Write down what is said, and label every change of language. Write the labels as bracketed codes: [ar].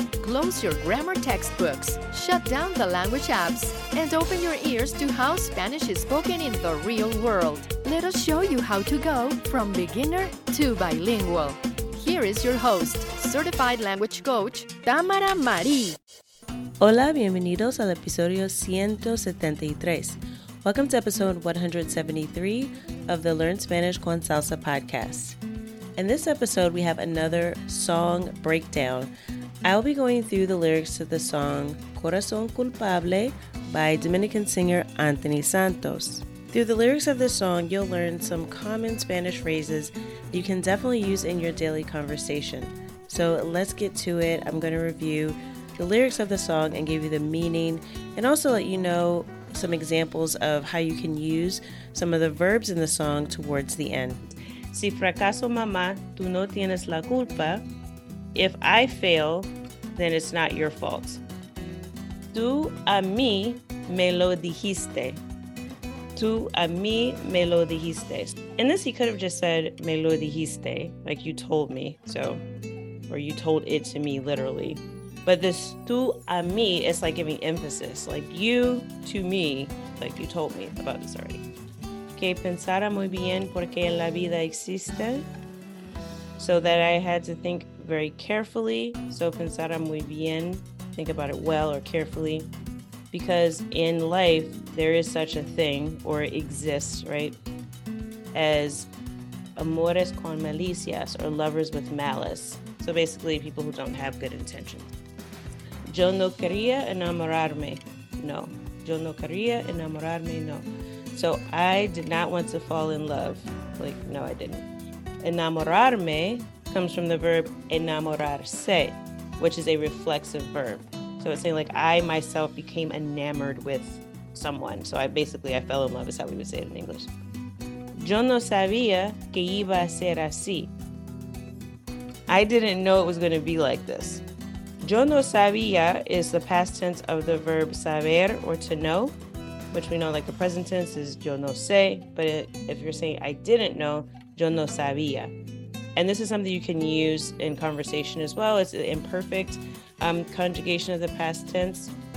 [en] Close your grammar textbooks, shut down the language apps, and open your ears to how Spanish is spoken in the real world. Let us show you how to go from beginner to bilingual. Here is your host, certified language coach, Tamara Marie. [es] Hola, bienvenidos al episodio 173. [en] Welcome to episode 173 of the Learn Spanish con Salsa podcast. In this episode, we have another song breakdown. I'll be going through the lyrics to the song Corazón Culpable by Dominican singer Anthony Santos. Through the lyrics of this song, you'll learn some common Spanish phrases you can definitely use in your daily conversation. So let's get to it. I'm going to review the lyrics of the song and give you the meaning and also let you know some examples of how you can use some of the verbs in the song towards the end. [es] Si fracaso, mamá, tú no tienes la culpa. [en] If I fail, then it's not your fault. [es] Tú a mí me lo dijiste. Tú a mí me lo dijiste. [en] In this, he could have just said, [es] me lo dijiste, [en] like you told me, so, or you told it to me, literally. But this [es] tú a mí [en] is like giving emphasis, like you to me, like you told me about this already. [es] Que pensara muy bien porque en la vida existe. [en] So that I had to think very carefully, so [es] pensara muy bien, [en] think about it well or carefully, because in life there is such a thing, or exists, right, as [es] amores con malicias, [en] or lovers with malice, so basically people who don't have good intentions. [es] Yo no quería enamorarme, no. Yo no quería enamorarme, no. [en] So I did not want to fall in love, like, no, I didn't. Enamorarme comes from the verb enamorarse, which is a reflexive verb. So it's saying like, I myself became enamored with someone. So I fell in love, is how we would say it in English. [es] Yo no sabía que iba a ser así. [en] I didn't know it was going to be like this. [es] Yo no sabía [en] is the past tense of the verb saber, or to know, which we know like the present tense is [es] yo no sé. [en] But if you're saying I didn't know, [es] yo no sabía. [en] And this is something you can use in conversation as well. It's an imperfect conjugation of the past tense.